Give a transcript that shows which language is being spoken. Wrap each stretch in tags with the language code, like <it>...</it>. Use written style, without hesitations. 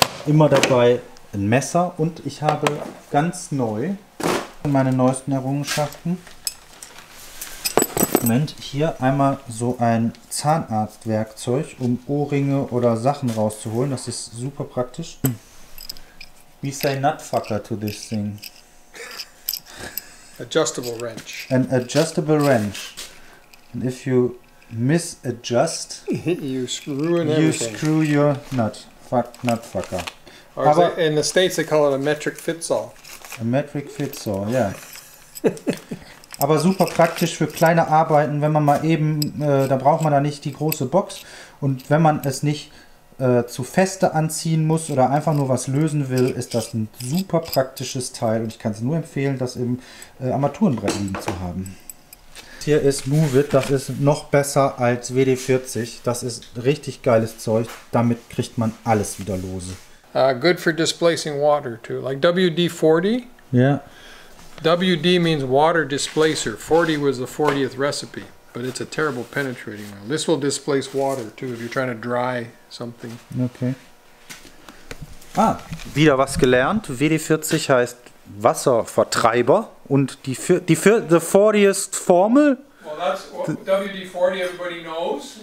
<de>Immer dabei ein Messer und ich habe ganz neu meine neuesten Errungenschaften. Moment, hier einmal so ein Zahnarztwerkzeug, um Ohrringe oder Sachen rauszuholen. Das ist super praktisch.</de> <en>We say nutfucker to this thing. Adjustable wrench. An adjustable wrench. And if you misadjust, you screw your nut. Fuck, nutfucker. Aber in the States they call it a metric fits all. A metric fits all, yeah.</en> <de>aber super praktisch für kleine Arbeiten, wenn man mal eben, da braucht man da nicht die große Box. Und wenn man es nicht zu feste anziehen muss oder einfach nur was lösen will, ist das ein super praktisches Teil. Und ich kann es nur empfehlen, das im Armaturenbrett liegen zu haben. Hier ist MOVEit, das ist noch besser als WD-40. Das ist richtig geiles Zeug, damit kriegt man alles wieder lose.</de> <en>Good for displacing water too, like WD-40. Yeah. WD means water displacer. 40 was the 40th recipe, but it's a terrible penetrating oil. This will displace water too if you're trying to dry something.</en> <de>Okay. Ah, wieder was gelernt. WD-40 heißt Wasservertreiber und the 40th Formel.</de> <en>Well, that's WD-40 everybody knows.</en>